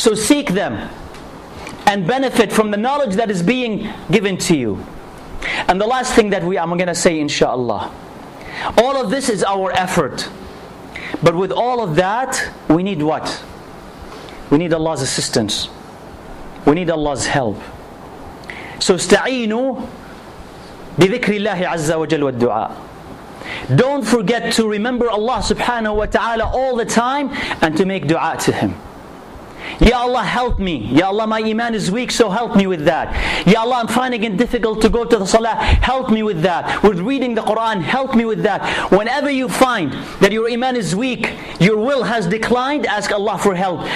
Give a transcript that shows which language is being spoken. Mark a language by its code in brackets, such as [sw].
[en] So seek them and benefit from the knowledge that is being given to you. And the last thing that I'm going to say, inshallah, all of this is our effort. But with all of that, we need what? We need Allah's assistance. We need Allah's help. So, [ar] استعينوا بذكر الله عز وجل والدعاء. [en] Don't forget to remember Allah subhanahu wa ta'ala all the time and to make dua to Him. Ya Allah, help me. Ya Allah, my iman is weak, so help me with that. Ya Allah, I'm finding it difficult to go to the salah. Help me with that. With reading the Quran, help me with that. Whenever you find that your iman is weak, your will has declined, ask Allah for help.